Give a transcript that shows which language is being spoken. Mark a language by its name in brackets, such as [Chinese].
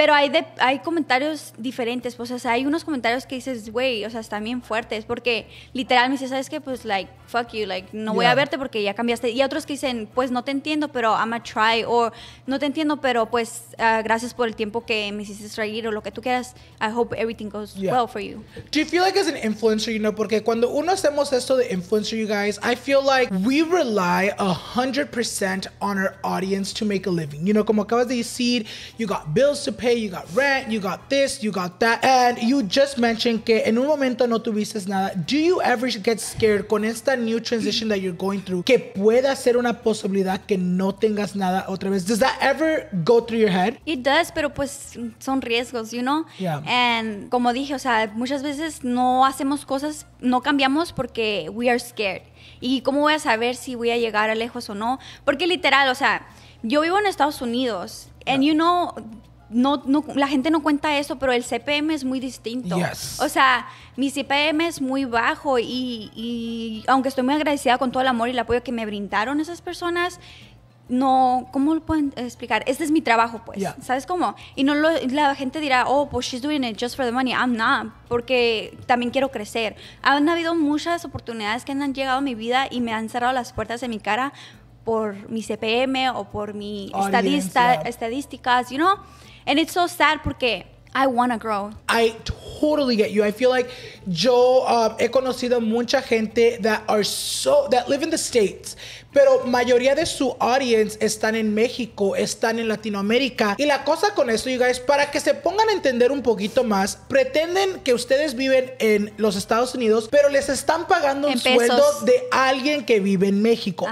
[Spanish] Pero hay comentarios diferentes. Pues, o sea, hay unos comentarios que dices, güey, o sea, están bien fuertes. Porque literal me dice, ¿sabes qué? Pues, [English] like, fuck you. [Spanish] Like, no voy a verte porque ya cambiaste. Y otros que dicen, pues, no te entiendo, pero [English] I'm a try. [Spanish] O no te entiendo, pero pues, gracias por el tiempo que me hiciste reír o lo que tú quieras. [English] I hope everything goes well for you. Do you feel like as an influencer, you know, [Spanish] porque cuando uno hacemos esto de influencer, [English] you guys, I feel like we rely 100% on our audience to make a living. You know, [Spanish] como acabas de decir, [English] you got bills to pay, you got rent, you got this, you got that. And you just mentioned [Spanish] que en un momento no tuviste nada. [English] Do you ever get scared con esta new transition that you're going through [Spanish] que pueda ser una posibilidad que no tengas nada otra [English] vez? Does that ever go through your head? It does, [Spanish] pero pues son riesgos, [English] you know? Yeah. [Spanish] And como dije, o sea, muchas veces no hacemos cosas, no cambiamos porque [English] we are scared. [Spanish] ¿Y cómo voy a saber si voy a llegar a lejos o no? Porque literal, o sea, yo vivo en Estados Unidos. [English] And you know, [Spanish] no la gente no cuenta eso, pero el CPM es muy distinto. [English] Yes. [Spanish] O sea, mi CPM es muy bajo y aunque estoy muy agradecida con todo el amor y el apoyo que me brindaron esas personas, no, ¿cómo lo pueden explicar? Este es mi trabajo, pues. [English] Yeah. [Spanish] ¿Sabes cómo? Y no lo, la gente dirá, oh, pues [English] she's doing it just for the money. I'm not, [Spanish] porque también quiero crecer. Han habido muchas oportunidades que han llegado a mi vida y me han cerrado las puertas en mi cara por mi CPM o por mi estadísticas, you know? [English] And it's so sad porque I want to grow. I totally get you. I feel like [Spanish] yo he conocido mucha gente [English] that live in the States, [Spanish] pero mayoría de su [English] audience [Spanish] están en México, están en Latinoamérica. Y la cosa con esto, [English] you guys, [Spanish] para que se pongan a entender un poquito más, pretenden que ustedes viven en los Estados Unidos, pero les están pagando un sueldo de alguien que vive en México.